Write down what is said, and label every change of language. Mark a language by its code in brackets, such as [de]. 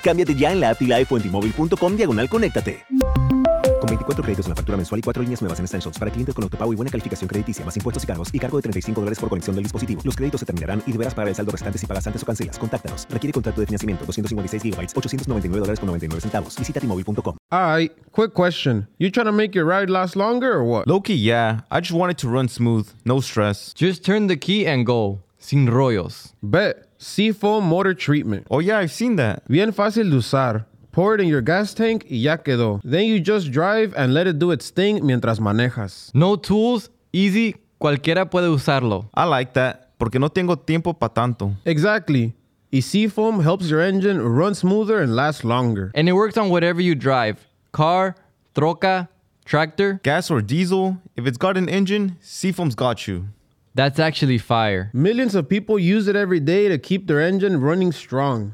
[es] Cámbiate ya en la app T-Life o en T-Mobile.com/conéctate. Con 24 créditos en la factura mensual y 4 líneas nuevas en extensions para clientes con autopago y buena calificación crediticia, más impuestos y cargos y cargo de $35 por conexión del dispositivo. Los créditos se terminarán y deberás pagar el saldo restante si pagas antes o cancelas. Contáctanos. Requiere contrato de financiamiento. 256 GB. $899.99. Visita T-Mobile.com. [en] Alright, quick question. You trying to make your ride last longer or what? Low-key, yeah. I just want it to run smooth. No stress. Just turn the key and go. [es] Sin rollos. [en] Bet. Seafoam Motor Treatment. Oh yeah, I've seen that. [es] Bien fácil de usar. [en] Pour it in your gas tank [es] y ya quedó. [en] Then you just drive and let it do its thing [es] mientras manejas. [en] No tools, easy, [es] cualquiera puede usarlo. [en] I like that, [es] porque no tengo tiempo pa' tanto. [en] Exactly. Y Seafoam helps your engine run smoother and last longer. And it works on whatever you drive. Car, troca, tractor. Gas or diesel. If it's got an engine, Seafoam's got you. That's actually fire. Millions of people use it every day to keep their engine running strong.